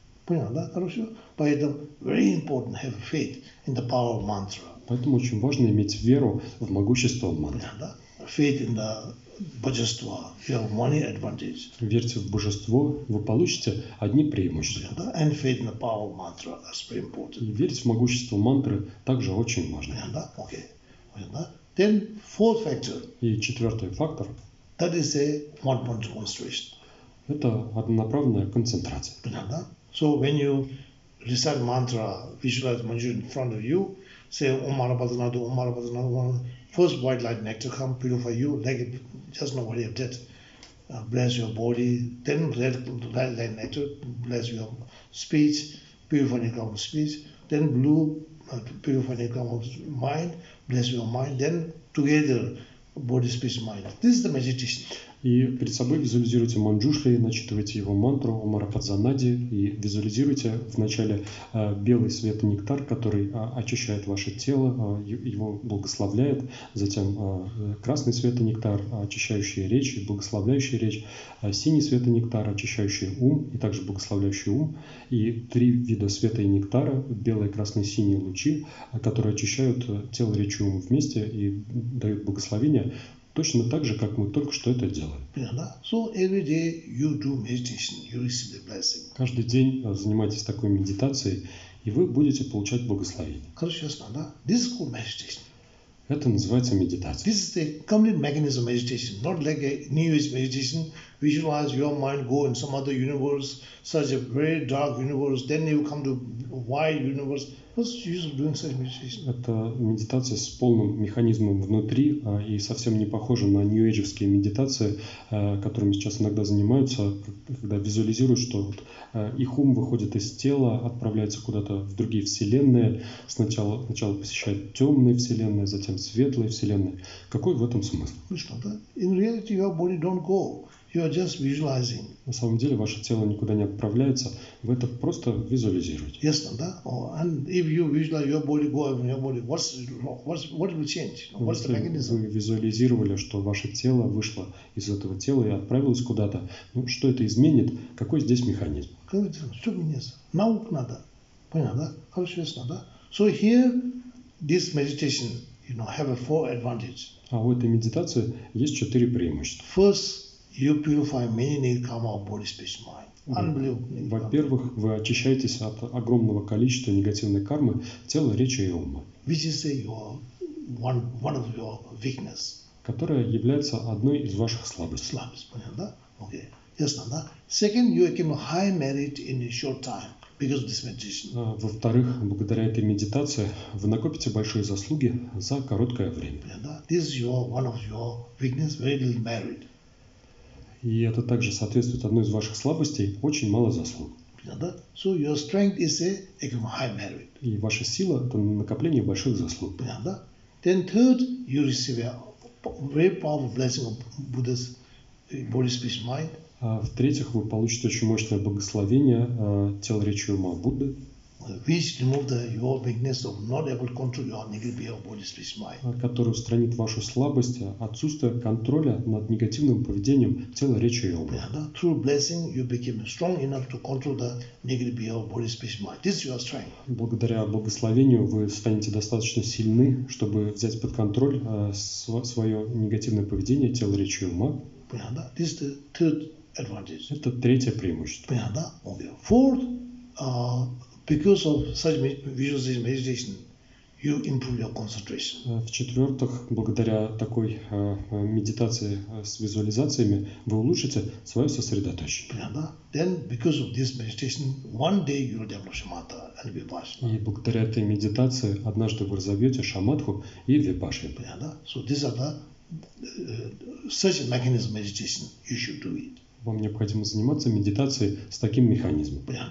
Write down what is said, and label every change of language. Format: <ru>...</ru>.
<ru>Понял, да? Хорошо? Поэтому</ru> <en>very important have faith in the power of mantra.</en> <ru>Поэтому очень важно иметь веру в могущество мантры. Понял, да?</ru> <en>Faith in the божество, feel money advantage.</en> <ru>Верьте в божество, вы получите одни преимущества. Понял, да?</ru> <en>And faith in the power of mantra, that's very important.</en> <ru>И верить в могущество мантры также очень важно. Понял, да?</ru> <en>Okay. Понял, да? Then fourth factor.</en> <ru>И четвертый фактор.</ru> <en>That is a one point concentration.</en> <ru>Это однонаправленная концентрация. Понял, да?</ru> <en>So when you recite mantra, visualize mantra in front of you, say Om Mara Padmanabha, Om Mara Padmanabha, first white light nectar come, purify you, like it, just know what you have done, bless your body, then red white light nectar, bless your speech, purify your come of speech, then blue, purify your come of mind, bless your mind, then together, body, speech, mind. This is the meditation.</en> <ru>И перед собой визуализируйте манджушли, начитывайте его мантру Ом Мара Падзанади и визуализируйте вначале белый свет и нектар, который очищает ваше тело, его благословляет, затем красный свет и нектар, очищающий речь и благословляющий речь, синий свет и нектар, очищающий ум и также благословляющий ум, и три вида света и нектара, белые, красные, синие лучи, которые очищают тело, речь и ум вместе и дают благословение. Точно так же, как мы только что это делали. Понятно, да?</ru> <en>So every day you do meditation, you receive the blessing.</en> <ru>Каждый день занимайтесь такой медитацией, и вы будете получать благословение. Короче, ясно, да?</ru> <en>This is called meditation.</en> <ru>Это называется медитация.</ru> <en>This is the complete mechanism of meditation, not like a new age meditation. Visualize your mind go in some other universe, such a very dark universe, then you come to white universe. What's the use of doing such meditation?</en> <ru>Это медитация с полным механизмом внутри и совсем не похожа на нью-эйджевские медитации, которыми сейчас иногда занимаются, когда визуализируют, что вот их ум выходит из тела, отправляется куда-то в другие вселенные, сначала посещает темные вселенные, затем светлые вселенные. Какой в этом смысл? Конечно, да.</ru> <en>In reality, your body don't go. You are just visualizing.</en> <ru>На самом деле ваше тело никуда не отправляется, вы это просто визуализируете. Ясно, да?</ru> <en>Oh, and if you visualize your body go, your body, what will change? What's the mechanism?</en> <ru>Вы визуализировали, что ваше тело вышло из этого тела и отправилось куда-то. Ну, что это изменит? Какой здесь механизм? Что меняется? Наука надо. Понятно, да? Хорошо, ясно, да?</ru> <en>So here, this meditation, you know, have a four advantage.</en> <ru>А у этой медитации есть четыре преимущества.</ru> <en>First, you purify many karma of body, speech, mind. Unbelievable.</en> <ru>Во-первых, вы очищаетесь от огромного количества негативной кармы тела, речи и ума.</ru> <en>Which is your one of your weakness.</en> <ru>Которая является одной из ваших слабостей. Слабость, понятно, да? Okay. Ясно, да?</ru> <en>Second, you become high merit in a short time. Because this meditation.</en> <ru>Во-вторых, благодаря этой медитации вы накопите большие заслуги за короткое время. Понятно, да?</ru> <en>This is your one of your weakness, very little merit.</en> <ru>И это также соответствует одной из ваших слабостей, очень мало заслуг.</ru> <en>So your strength is a high merit.</en> <ru>И ваша сила – это накопление больших заслуг. Понятно, да?</ru> <en>Then third, you receive a very powerful blessing of Buddha's Bodhisattva's mind.</en> <ru>В-третьих, вы получите очень мощное благословение тела, речи и ума Будды.</ru> <en>Which remove the your weakness of not able to control your negative Bodhisattva's mind.</en> <ru>Который устранит вашу слабость, отсутствие контроля над негативным поведением тела, речи и ума.</ru> <en>And through blessing, you became strong enough to control the negative Bodhisattva's mind. This is your strength.</en> <ru>Благодаря благословению вы станете достаточно сильны, чтобы взять под контроль свое негативное поведение тела, речи и ума.</ru> <en>This is the third advantage.</en> <ru>Это третье преимущество.</ru> <en>Fourth, because of such visualization meditation, you improve your concentration.</en> <ru>В-четвертых, благодаря такой медитации с визуализациями, вы улучшите свое сосредоточение.</ru> <en>Then, because of this meditation, one day you will develop shamatha and vipassana.</en> <ru>И благодаря этой медитации однажды вы разовьете шамадху и випассану.</ru> <en>So these are the such a mechanism meditation you should do it.</en> <ru>Вам необходимо заниматься медитацией с таким механизмом.</ru>